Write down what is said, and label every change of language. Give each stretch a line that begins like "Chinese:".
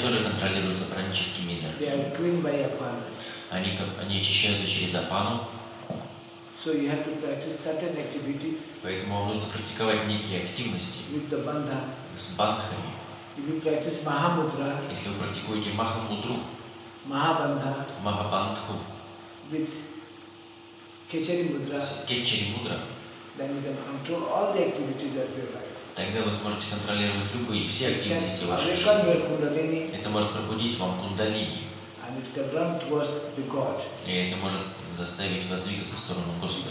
Russian: тоже контролируются праническими энергиями. Они, очищаются через апану.
English: So you have to practice certain activities.
Russian: Поэтому вам нужно практиковать некие активности
English: with the bandha.
Russian: С бандхами.
English: If you practice Mahamudra,
Russian: если вы практикуете Махамудру,
English: Mahabandha,
Russian: Махабандху,
English: with Кечари Мудра,
Russian: с Кечари Мудра,
English: then you can control all the activities of your life.
Russian: Тогда вы сможете контролировать любые все активности вашей жизни. Это может пробудить вам кундалини.
English: And it can run towards the God.
Russian: И это может заставить вас двигаться в сторону Господа.